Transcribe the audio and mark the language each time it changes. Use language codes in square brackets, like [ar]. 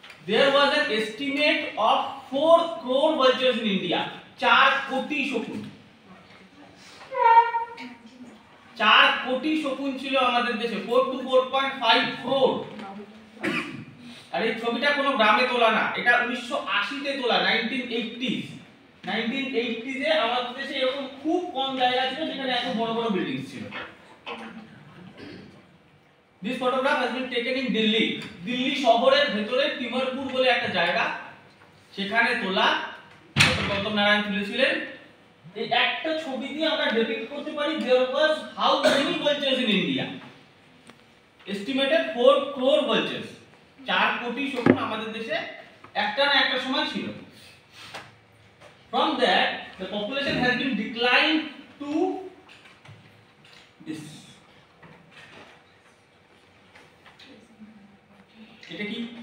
[en] There was an estimate of 4 crore vultures in India. [bn] 4 কোটি শকুন, 4 কোটি শকুন ছিল আমাদের দেশে, [en] 4 to 4.5 crore। [bn] আর এই ছবিটা কোনো গ্রামে তোলা না, এটা 1980-তে তোলা, 1980-তে আমাদের দেশে এরকম খুব কম জায়গা ছিল যেখানে এত বড় বড় বিল্ডিং ছিল। [en] This photograph has been taken in Delhi. [bn] Delhi শহরের ভেতরে তিমরপুর বলে একটা জায়গা, সেখানে তোলা, গৌতম নারায়ণ তুলেছিলেন একটা ছবি দিয়ে আমরা ডিপিক্ট করতে পারি [en] there was how many vultures in India estimated 4 crore vultures [bn] 4 কোটি শকুন আমাদের দেশে একটা না একটা সময় ছিল [en] from that the population has been decline to this [bn] এটা কি